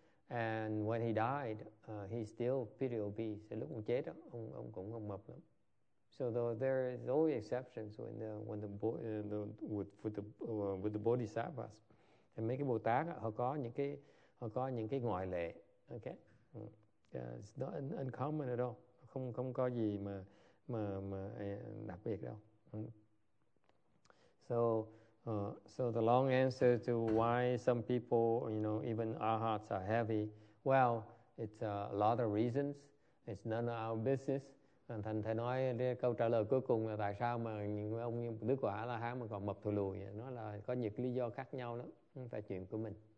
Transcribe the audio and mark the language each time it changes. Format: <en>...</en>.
<en>And when he died, he's still pretty obese.</en> <vi>Lúc ông chết, ông cũng không mập lắm.</vi> <en>So though there is always exceptions with the bodhisattvas, and</en> <vi>mấy cái Bồ Tát họ có những cái ngoại lệ,</vi> <en>okay? It's not uncommon at all.</en> <vi>Không có gì mà đặc biệt đâu.</vi> <en>So the long answer to why some people, you know, even arhats are heavy. Well, it's a lot of reasons. It's none of our business.</en> <vi>Thành thầy nói câu trả lời cuối cùng là tại sao mà ông Đức Quả là há mà còn mập thù lùi vậy? Nó là có nhiều lý do khác nhau lắm, không phải chuyện của mình.</vi>